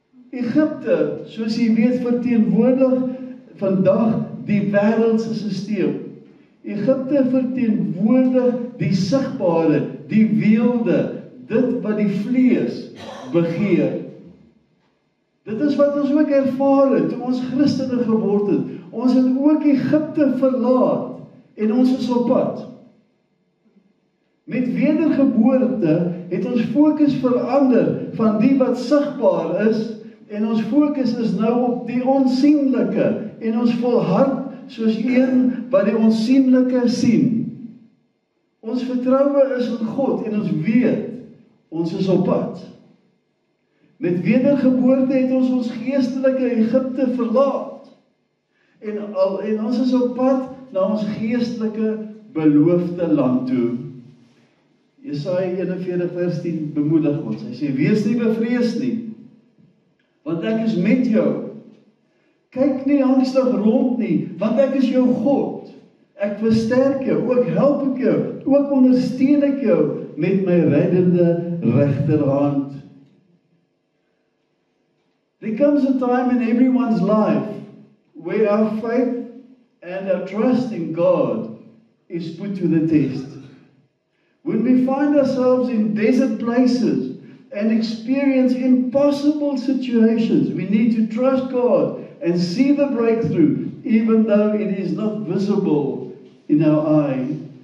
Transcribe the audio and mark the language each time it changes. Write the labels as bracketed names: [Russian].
[Afrikaans] Egipte, soos jy weet, verteenwoordig vandag die wêreldse stelsel. Egipte verteenwoordig die sigbare, die weelde, dit wat die vlees begeer. Dit is wat ons ook ervaar het, toe ons Christene geword het. Ons het ook Egipte verlaat en ons is op pad. Met wedergeboorte het ons fokus verander van die wat sigbaar is, en ons fokus is nou op die onsigbare en ons volhard soos een wat die onsigbare sien. Ons vertroue is in God en ons weet ons is op pad. Met wedergeboorte het ons ons geestelike Egipte verlaat en ons is op pad na ons geestelike beloofde land toe. Jesaja 41:10 bemoedig ons. Hy sê wees nie bevrees nie. Want ek is met jou. Kyk nie angstig rond nie, want ek is jou God. Ek versterk jou, ook help ek jou, ook ondersteun ek jou met my reddende regterhand. [English] There comes a time in everyone's life where our faith and our trust in God is put to the test. When we find ourselves in desert places and experience impossible situations, we need to trust God and see the breakthrough, even though it is not visible in our eye.